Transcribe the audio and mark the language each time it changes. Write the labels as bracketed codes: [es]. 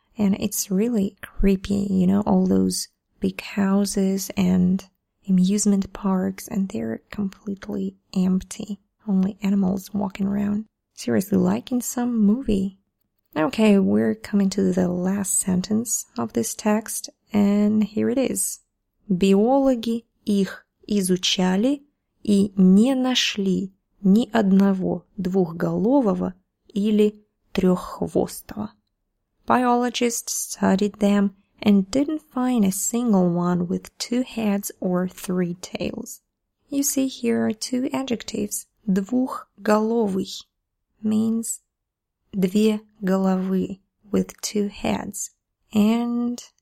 [en] And it's really creepy, you know, all those big houses and amusement parks, and they're completely empty. Only animals walking around. Seriously, like in some movie. Okay, we're coming to the last sentence of this text, and here it is. [ru] Биологи их изучали и не нашли ни одного двухголового или треххвостого. [en] Biologists studied them and didn't find a single one with two heads or three tails. You see, here are two adjectives. [ru] Двухголовый [en] means [ru] две головы [en] with two heads. And